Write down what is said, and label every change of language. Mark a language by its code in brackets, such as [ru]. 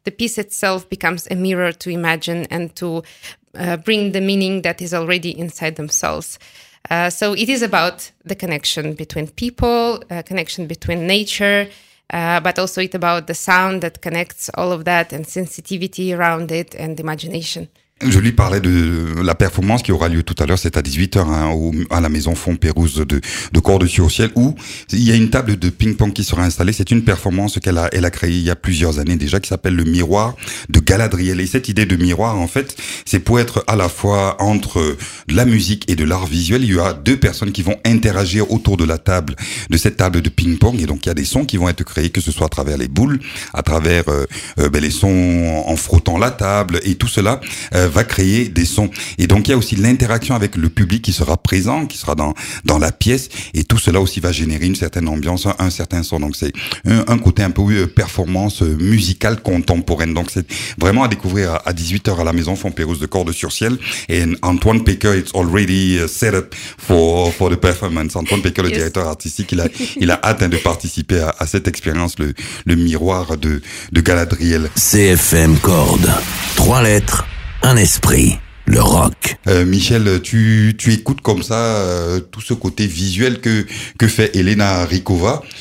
[en] The piece itself becomes a mirror to imagine and to bring the meaning that is already inside themselves. So it is about the connection between people, connection between nature, but also it's about the sound that connects all of that and sensitivity around it and imagination. [fr] Je lui parlais de la performance qui aura lieu tout à l'heure, c'est à 18h hein, à la maison Font Pérouse de Cordes-sur-Ciel, où il y a une table de ping-pong qui sera installée. C'est une performance qu'elle a, elle a créée il y a plusieurs années déjà, qui s'appelle le miroir de Galadriel. Et cette idée de miroir, en fait, c'est pour être à la fois entre la musique et de l'art visuel. Il y aura deux personnes qui vont interagir autour de la table, de cette table de ping-pong. Et donc, il y a des sons qui vont être créés, que ce soit à travers les boules, à travers les sons en frottant la table et tout cela. Va créer des sons. Et donc, il y a aussi l'interaction avec le public qui sera présent, qui sera dans la pièce. Et tout cela aussi va générer une certaine ambiance, un certain son. Donc, c'est un côté un peu performance musicale contemporaine. Donc, c'est vraiment à découvrir à 18h à la maison Font Pérouse de Cordes-sur-Ciel. [en] Et Antoine Péker, it's already set up for the performance. [fr] Antoine Péker, le directeur artistique, il a hâte de participer à cette expérience, le miroir de Galadriel. CFM Cordes. Trois lettres. Un esprit, le rock. Michel, tu écoutes comme ça tout ce côté visuel que fait Elena Rykova.